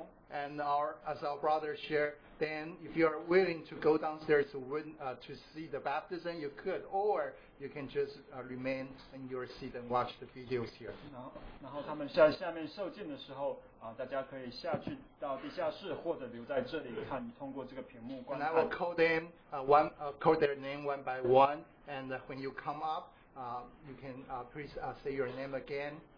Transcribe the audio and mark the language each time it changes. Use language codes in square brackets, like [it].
[en] and as our brothers share, then if you are willing to go downstairs to see the baptism, you could, or you can just remain in your seat and watch the videos here. [zh] 然后他们下面受浸的时候, 大家可以下去到地下室, 或者留在这里看, [en] and I will call their name one by one, and when you come up, you can please say your name again.